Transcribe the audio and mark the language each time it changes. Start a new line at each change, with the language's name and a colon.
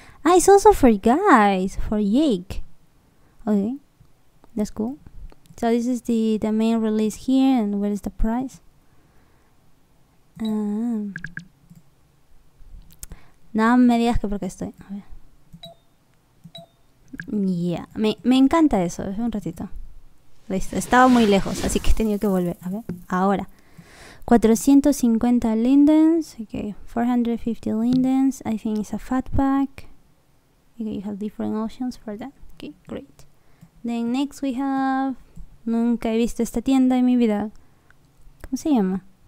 English: Ah, it's also for guys, for Jake. Okay, that's cool. So this is the main release here, and where is the price?
Spanish: No me digas que porque estoy. A ver. Yeah, me encanta eso, un ratito. Listo, estaba muy lejos, así que he tenido que volver. A ver, ahora.
English: 450 lindens, okay, 450 lindens, I think it's a fat pack. Okay, you have different options for that. Okay, great. Then next we have...
Spanish: Nunca he visto esta tienda en mi vida. ¿Cómo se llama?